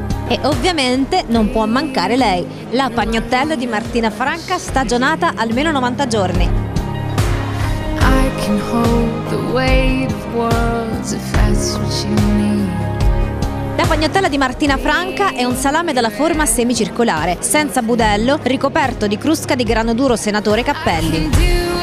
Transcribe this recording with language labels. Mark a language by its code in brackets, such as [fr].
[it] E ovviamente non può mancare lei, la pagnottella di Martina Franca stagionata almeno 90 giorni. [en] I can hold the weight of worlds if that's what you need. [it] La pagnottella di Martina Franca è un salame dalla forma semicircolare, senza budello, ricoperto di crusca di grano duro Senatore Cappelli.